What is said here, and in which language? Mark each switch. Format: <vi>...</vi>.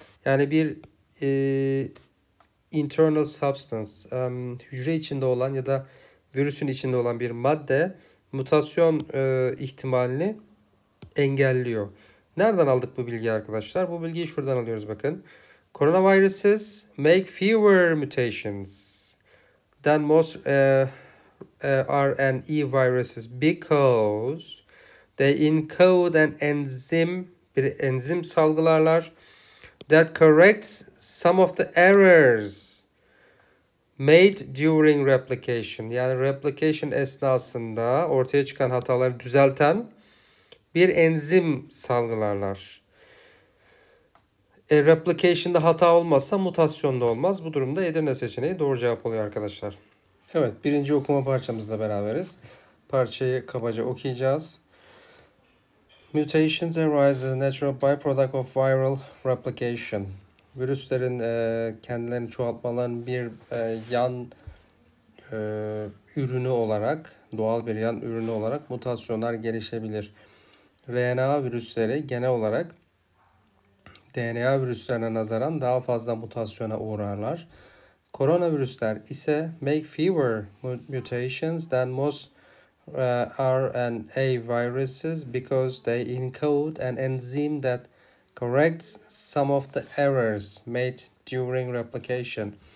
<tr>Yani bir internal substance, hücre içinde olan ya da virüsün içinde olan bir madde mutasyon ihtimalini engelliyor. Nereden aldık bu bilgiyi arkadaşlar? Bu bilgiyi şuradan alıyoruz bakın.</tr> <en>Coronaviruses make fewer mutations than most RNA viruses because they encode an enzyme,</en> <tr>bir enzim salgılarlar</tr> <en>that corrects some of the errors made during replication.</en> <tr>Yani replication esnasında ortaya çıkan hataları düzelten bir enzim salgılarlar. Replication'da hata olmazsa mutasyonda olmaz. Bu durumda Edirne seçeneği doğru cevap oluyor arkadaşlar. Evet, birinci okuma parçamızla beraberiz. Parçayı kabaca okuyacağız.</tr> <en>Mutations arise as a natural byproduct of viral replication.</en> <tr>Virüslerin kendilerini çoğaltmaların bir yan ürünü olarak, doğal bir yan ürünü olarak mutasyonlar gelişebilir. RNA virüsleri genel olarak DNA virüslerine nazaran daha fazla mutasyona uğrarlar. Koronavirüsler ise</tr> <en>make fewer mutations than most RNA viruses because they encode an enzyme that corrects some of the errors made during replication.</en>